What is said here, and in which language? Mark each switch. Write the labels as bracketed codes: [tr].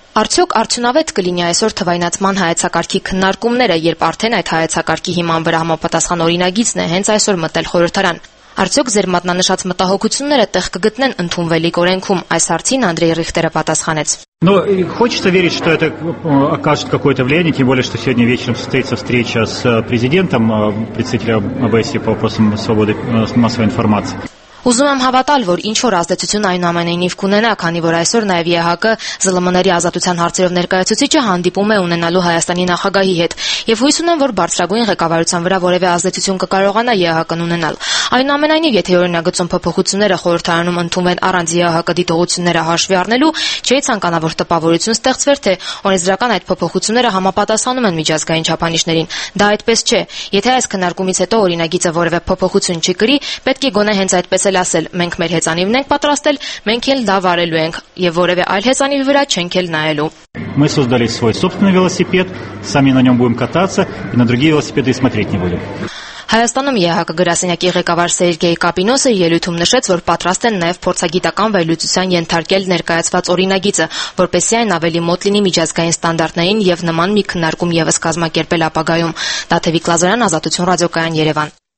[hy] Արդյոք արդյունավետ կլինի այսօր թվայնացման հայեցակարգի քննարկումները, երբ արդեն այդ հայեցակարգի հիման վրա համապատասխան օրինագիծն է հենց այսօր մտել խորհրդարան։ Արդյոք ձեր մատնանշած մտահոգությունները տեղ կգտնեն ընդունվելիք օրենքում, այս հարցին Անդրեյ Ռիխտերը պատասխանեց։ [ru] Но хочется верить, что это окажет какое-то влияние, тем более, что сегодня вечером состоится встреча с президентом, представителем ОБСЕ по вопросам свободы массовой информации. [hy] Ուզում եմ հավատալ, որ ինչ որ ազդեցություն այնուամենայնիվ կունենա, քանի որ այսօր նաև ԵՀԿ-ը ԶԼՄ-ների ազատության հարցերով ներկայացուցիչը հանդիպում է ունենալու Հայաստանի նախագահի հետ, եւ հույս ունեմ, որ բարձրագույն ղեկավարության վրա որևէ ազդեցություն կկարողանա ԵՀԿ-ն ունենալ։ Այնուամենայնիվ, եթե օրինագծում փոփոխությունները խորհրդարանում ընդունվեն առանց ԵՀԿ-ի դիտողությունները հաշվի առնելու, չի ցանկանա, որ տպավորություն ստեղծվեր, թե օրենսդրական այդ փոփոխությունները համապատասխանում են միջազգային չափանիշներին։ Դա այդպես չէ։ Եթե այս քննարկումից հետո օրինագիծը որևէ փոփոխություն չի գրի, պետք է գոնե հենց այդպես էլ ասել. Մենք մեր հեծանիվն ենք պատրաստել, մենք էլ դա վարելու ենք, եւ որևէ այլ հեծանիվի վրա չենք էլ նայելու։ [ru] Мы создали свой собственный велосипед, сами на нём будем кататься и на другие велосипеды смотреть не будем. [hy] Հայաստանում ԵՀԿ գրասենյակի ղեկավար Սերգեյ Կապինոսը ելույթում նշեց, որ պատրաստ են նաև փորձագիտական վերլուծության ենթարկել ներկայացված օրինագիծը, որպեսզի այն ավելի մոտ լինի միջազգային ստանդարտներին եւ նման մի քննարկում եւս կազմակերպել ապագայում։ Տաթևիկ Լազարյան, Ազատություն ռադիոկայան, Երևան։